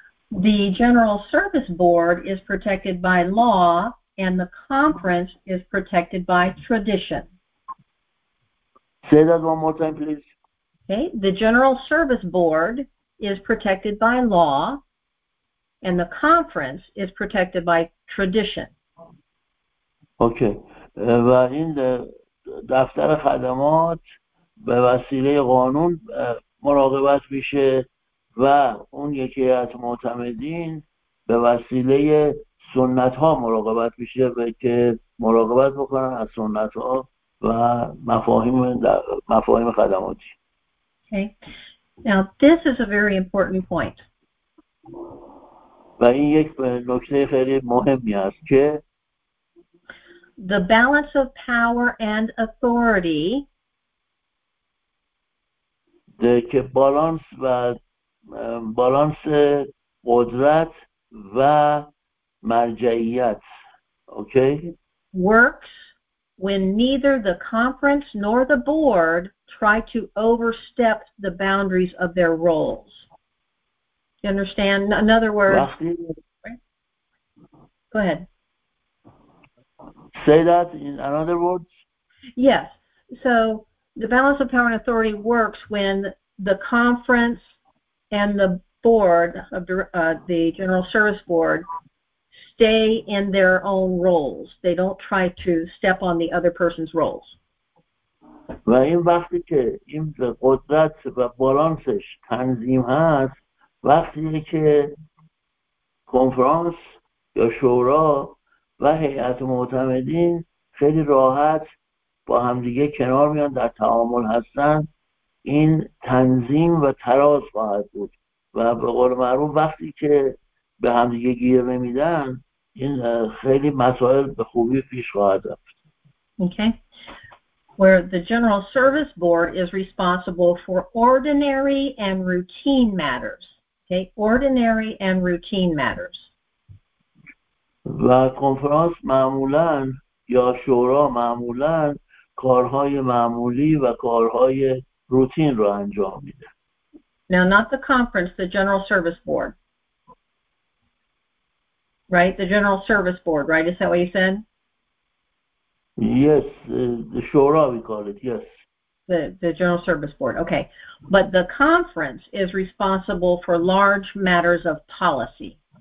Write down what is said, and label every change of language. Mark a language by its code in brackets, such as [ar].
[en] The General Service Board is protected by law and the conference is protected by tradition. Say that one more time, please. Okay. The General Service Board is protected by law and the conference is protected by tradition. Okay. [fa] و این دفتر خدمات به وسیله قانون مراقبت میشه و اون یکی از معتمدین به وسیله سنت ها مراقبت میشه و که مراقبت بکنن از سنت ها و مفاهیم خدماتی. [en] Okay. Now this is a very important point. [fa] و این یک نکته خیلی مهمی است که [en] the balance of power and authority [fa] که بالانس و بالانس قدرت و مرجعیت okay [en] works when neither the conference nor the board try to overstep the boundaries of their roles. You understand? In other words, go ahead. Say that in other words? Yes. So the balance of power and authority works when the conference and the board of the General Service Board stay in their own roles. They don't try to step on the other person's roles. [fa] و این وقتی که این قدرت و بالانسش تنظیم هست، وقتی که کنفرانس یا شورا و هیئت معتمدین خیلی راحت با همدیگه کنار میان در تعامل هستن، این تنظیم و تراز خواهد بود و به قول معروف وقتی که به همدیگه گیر نمیدن این خیلی مسائل به خوبی پیش خواهد رفت. [en] Okay. Where the General Service Board is responsible for ordinary and routine matters. Okay, ordinary and routine matters. [fa] و کنفرانس معمولاً یا شورا معمولاً کارهای معمولی و کارهای روتین رو انجام میده. [en] Now, not the conference, the General Service Board. Right, the General Service Board, right? Is that what you said? Yes, the Shura, we call it, yes. The General Service Board, okay. But the conference is responsible for large matters of policy.